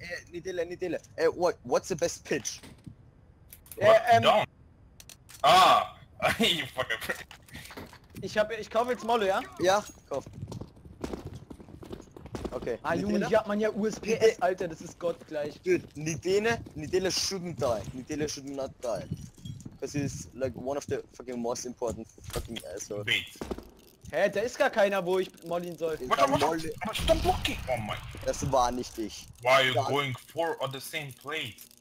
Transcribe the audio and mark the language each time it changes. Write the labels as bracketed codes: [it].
[en] Nidele. What's the best pitch? Ah! You fucking [de] Ich kaufe jetzt Molly, ja? Ja, kauf. Okay. Ah, Junge, hier hat man ja USPS, Alter, das ist gottgleich. [en] Dude, Nidele shouldn't die. Nidele should not die. Because he's like one of the fucking most important fucking assholes. Wait. [de] Hä, da ist gar keiner, wo ich mollen soll. [en] Stop blocking! Oh my. [de] Das war nicht ich. [en] Why are you going four on the same plate?